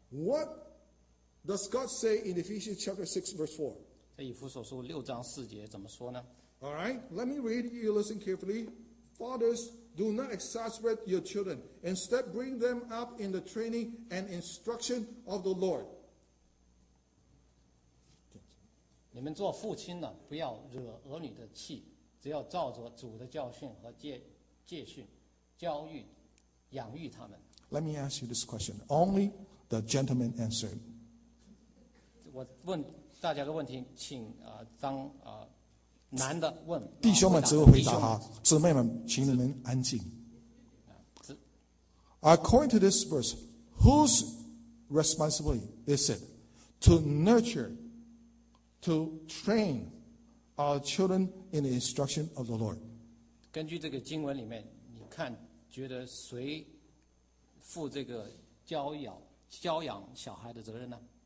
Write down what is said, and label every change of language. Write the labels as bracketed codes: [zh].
[en] What does God say in Ephesians chapter 6 verse 4? [zh] 在以弗所书六章四节怎么说呢？ [en] All right, let me read you, listen carefully. Fathers, do not exasperate your children. Instead, bring them up in the training and instruction of the Lord. [zh] 你们做父亲的，不要惹儿女的气，只要照着主的教训和戒训，教育、养育他们。 [en] Let me ask you this question. Only the gentleman answered. [zh] 我问大家个问题，请当男的问弟兄们只会回答哈，姊妹们请你们安静。 [en] According to this verse, whose responsibility is it to nurture, to train our children in the instruction of the Lord? [zh] 根据这个经文里面，你看觉得谁负这个教养小孩的责任呢？